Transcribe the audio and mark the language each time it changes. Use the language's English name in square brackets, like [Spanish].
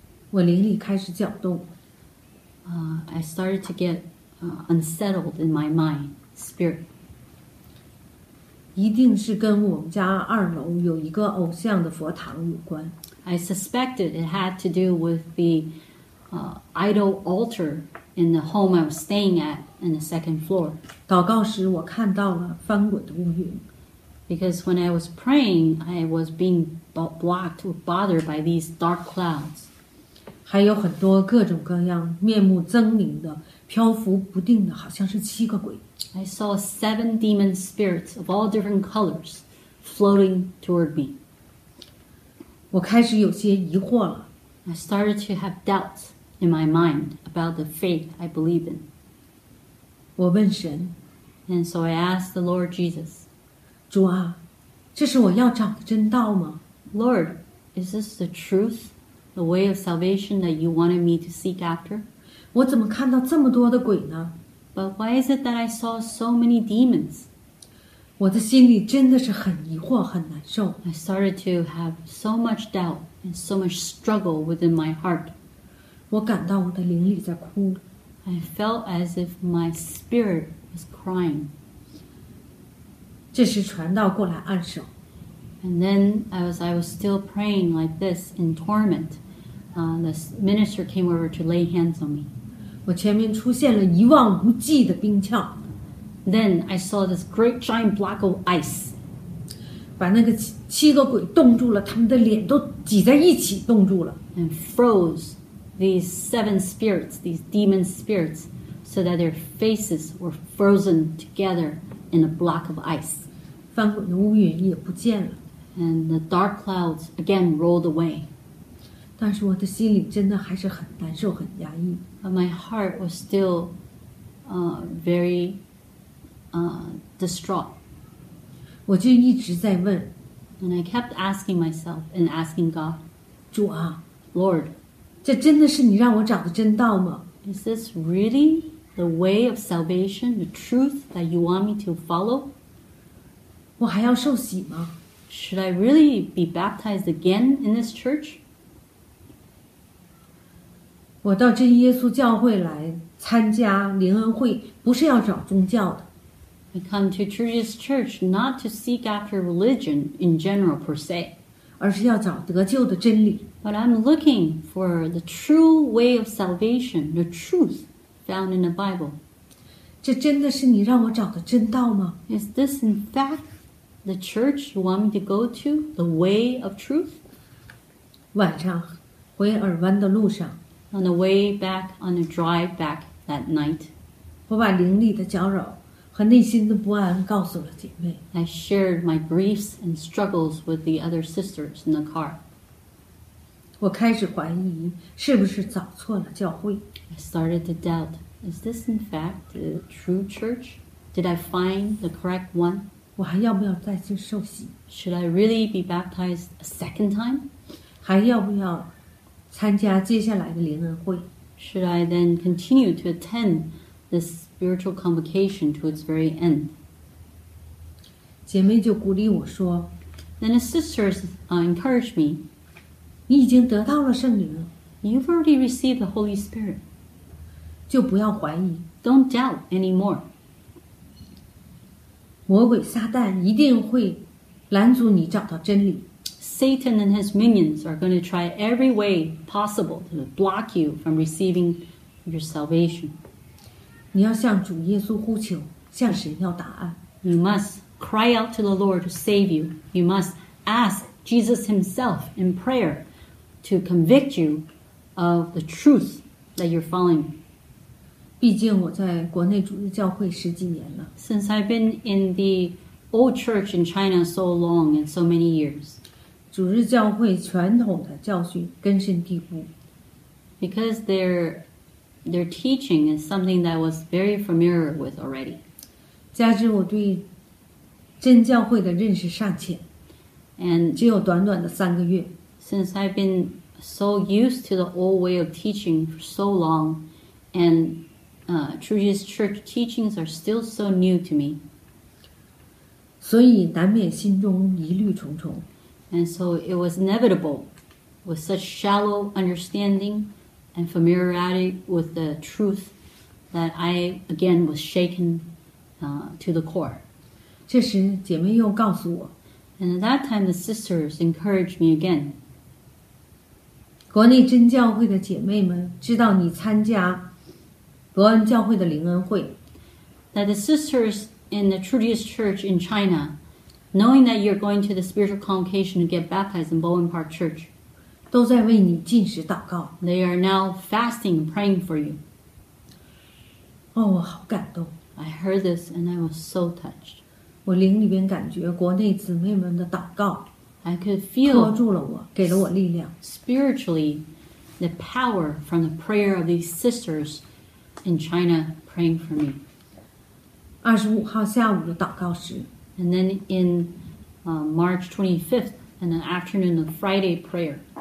[Chinese] 我灵力开始搅动。 [English] I started to get unsettled in my mind, spirit. [Chinese] 一定是跟我们家二楼有一个偶像的佛堂有关。 [English] I suspected it had to do with the idol altar in the home I was staying at. In the second floor. [Chinese] 祷告时我看到了翻滚的乌云。 [English] Because when I was praying, I was being blocked or bothered by these dark clouds. [Chinese] 还有很多各种各样面目狰狞的漂浮不定的好像是七个鬼。 [English] I saw seven demon spirits of all different colors floating toward me. [Chinese] 我开始有些疑惑了。 [English] I started to have doubts in my mind about the faith I believe in. [Chinese] 我问神 [English] And so I asked the Lord Jesus, [Chinese] 主啊，这是我要找的真道吗？ [English] Lord, is this the truth, the way of salvation that you wanted me to seek after? [Chinese] 我怎么看到这么多的鬼呢? [English] But why is it that I saw so many demons? [Chinese] 我的心里真的是很疑惑，很难受。 [English] I started to have so much doubt and so much struggle within my heart. [Chinese] 我感到我的灵里在哭。 [English] I felt as if my spirit was crying. [Chinese] 这时传道过来按手。 [English] And then as I was still praying like this in torment, the minister came over to lay hands on me. [Chinese] 我前面出现了一望无际的冰窖。 [English] Then I saw this great giant block of ice. [Chinese] 把那个 七个鬼冻住了，他们的脸都挤在一起冻住了。 [English] And froze these seven spirits, these demon spirits, so that their faces were frozen together in a block of ice. [Chinese] 翻滚的乌云也不见了。 [English] And the dark clouds again rolled away. [Chinese] 但是我的心里真的还是很难受，很压抑。 [English] But my heart was still very distraught. [Chinese] 我就一直在问。 [English] And I kept asking myself and asking God. [Chinese] 主啊。 [English] Lord. [Chinese] 这真的是你让我找的真道吗？ [English] Is this really the way of salvation, the truth that you want me to follow? [Chinese] 我还要受洗吗? [English] Should I really be baptized again in this church? [Chinese] 我到真耶稣教会来参加灵恩会，不是要找宗教的。 [English] I come to True Jesus Church not to seek after religion in general per se, [Chinese] 而是要找得救的真理。 [English] But I'm looking for the true way of salvation, the truth found in the Bible. [Chinese] 这真的是你让我找的真道吗? [English] Is this in fact? The church you want me to go to? The way of truth? [Chinese] 晚上回尔湾的路上 [English] On the way back, on the drive back that night, [Chinese] 我把灵里的搅扰和内心的不安告诉了姐妹 [English] I shared my griefs and struggles with the other sisters in the car. [Chinese] 我开始怀疑是不是找错了教会 [English] I started to doubt, is this in fact the true church? Did I find the correct one? [Chinese] 我还要不要再次受洗? [English] Should I really be baptized a second time? [Chinese] 还要不要参加接下来的灵恩会? [English] Should I then continue to attend this spiritual convocation to its very end? [Chinese] 姐妹就鼓励我说, [English] Then the sisters encouraged me. [Chinese] 你已经得到了圣灵了。 [English] You've already received the Holy Spirit. [Chinese] 就不要怀疑。 [English] Don't doubt anymore. [Chinese] 魔鬼撒旦一定会拦阻你找到真理。 [English] Satan and his minions are going to try every way possible to block you from receiving your salvation. [Chinese] 你要向主耶稣呼求，向神要答案。 [English] You must cry out to the Lord to save you. You must ask Jesus himself in prayer to convict you of the truth that you're following. [Chinese] 毕竟我在国内主日教会十几年了。 [English] Since I've been in the old church in China so long and so many years. [Chinese] 主日教会传统的教训根深蒂固。 [English] Because their teaching is something that I was very familiar with already. [Chinese] 加之我对真教会的认识尚浅。 [English] And [Chinese] 只有短短的三个月。 [English] Since I've been so used to the old way of teaching for so long and... True Jesus Church teachings are still so new to me. [Chinese] 所以难免心中疑虑重重。 [English] And so it was inevitable with such shallow understanding and familiarity with the truth that I again was shaken to the core. [Chinese] 这时姐妹又告诉我。 [English] And at that time the sisters encouraged me again. [Chinese] 国内真教会的姐妹们知道你参加伯恩教会的灵恩会 [English] that the sisters in the True Jesus Church in China, knowing that you're going to the spiritual convocation to get baptized in Bowen Park Church, [Chinese] 都在为你进食祷告 [English] They are now fasting and praying for you. [Chinese] Oh, 我好感动 [English] I heard this and I was so touched. [Chinese] 我灵里边感觉国内姊妹们的祷告 [English] I could feel [Chinese] 托住了我给了我力量 [English] spiritually, the power from the prayer of these sisters. In China, praying for me. [Chinese] 25号下午的祷告时 [English] And then in March 25th, and an afternoon of Friday prayer.